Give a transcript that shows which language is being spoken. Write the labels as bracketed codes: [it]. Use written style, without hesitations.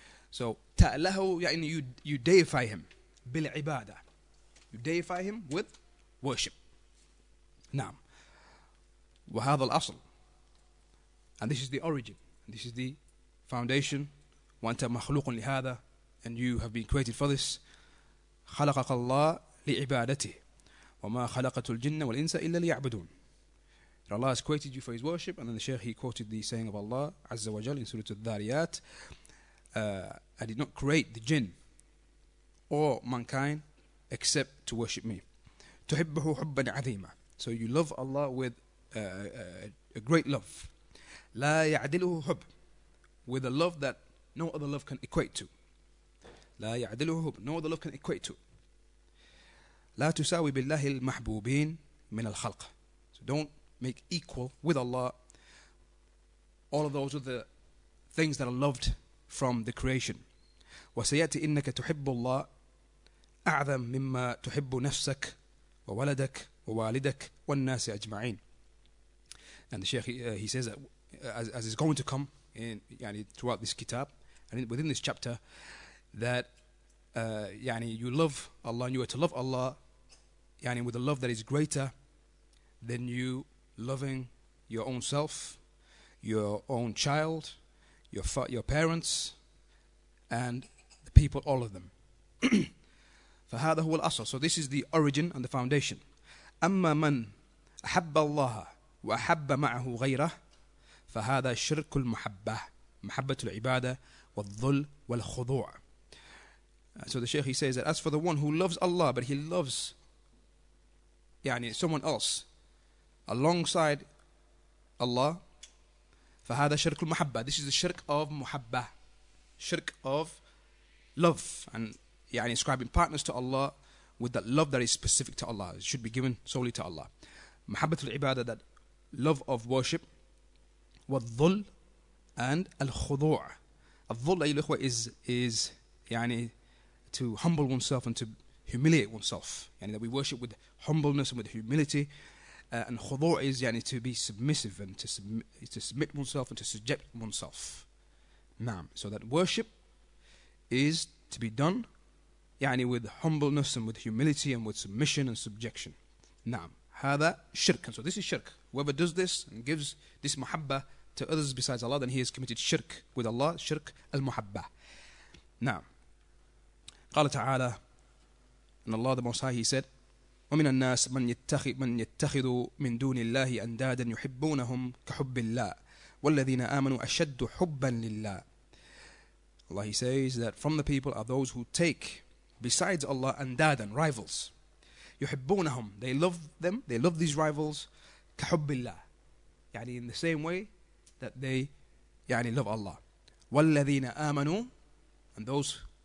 [en] So ta'lahu يعني you deify him bil ibadah, you deify him with worship. Naam. [ar] Wa hadha al asl, [en] and this is the origin, and this is the foundation. [ar] Wa anta makhluqun li hadha, [en] and you have been created for this. [ar] خلقك الله لعبادته وما خلقت الجن والإنس إلا ليعبدون. [en] Allah has created you for his worship. And then the Shaykh, he quoted the saying of Allah Azza wa Jal in Surah Al-Dhariyat, I did not create the jinn or mankind except to worship me. [ar] تحبه حبا عظيما, [en] so you love Allah with a great love. [ar] لا يعدله حب, [en] with a love that no other love can equate to. [ar] لا يعدله حب, [en] no other love can equate to. [ar] لا تساوي بالله المحبوبين من الخلق, [en] so don't make equal with Allah all of those other things that are loved from the creation. [ar] وسيأتي إنك تحب الله أعظم مما تحب نفسك وولدك ووالدك والناس أجمعين. [en] And the Shaykh, he says that as is going to come in, يعني throughout this kitab and within this chapter, that يعني you love Allah, and you are to love Allah يعني with a love that is greater than you loving your own self, your own child, your parents, and the people, all of them. [ar] فهذا هو الأصل. [en] So this is the origin and the foundation. [ar] أما من أحب الله وأحب معه غيره فهذا شرك المحبة, محبة العبادة والذل والخضوع. [en] So the Shaykh, he says that as for the one who loves Allah, but he loves يعني someone else alongside Allah, [ar] فهذا شرك المحبة. [en] This is the shirk of محبة, shirk of love, and يعني ascribing partners to Allah with that love that is specific to Allah. It should be given solely to Allah. [ar] محبة العبادة, [en] that love of worship. والظل and الخضوع. [ar] الظل أيها الأخوة [en] is يعني to humble oneself and to humiliate oneself. يعني that we worship with humbleness and with humility. And khudu' is يعني to be submissive and to submit oneself and to subject oneself. Naam. So that worship is to be done يعني with humbleness and with humility and with submission and subjection. Naam. هذا shirk. And so this is shirk. Whoever does this and gives this muhabba to others besides Allah, then he has committed shirk with Allah. [ar] Shirk al-muhabba. Naam. قال تعالى أن الله [en] the Most High, he said, [ar] ومن الناس من يتخذ من دون الله أندادا يحبونهم كحب الله والذين آمنوا أشد حبا لله. [en] Allah, he says that from the people are those who take besides Allah أندادا, rivals. يحبونهم, they love them, they love these rivals, [ar] كحب الله, [en] يعني in the same way that they يعني love Allah. [ar] والذين آمنوا, [en] and those